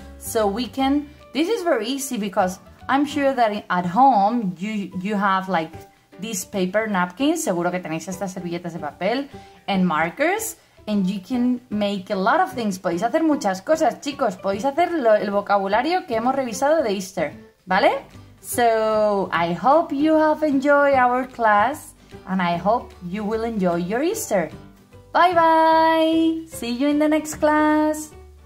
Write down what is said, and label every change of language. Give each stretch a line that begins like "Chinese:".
English: So we can, this is very easy because I'm sure that at home you have like this paper napkin,
Spanish: seguro que tenéis estas servilletas de papel,
English: and markers, and you can make a lot of things.
Spanish: Podéis hacer muchas cosas, chicos. Podéis hacer el vocabulario que hemos revisado de Easter, ¿vale?
English: So, I hope you have enjoyed our class, and I hope you will enjoy your Easter. Bye bye! See you in the next class!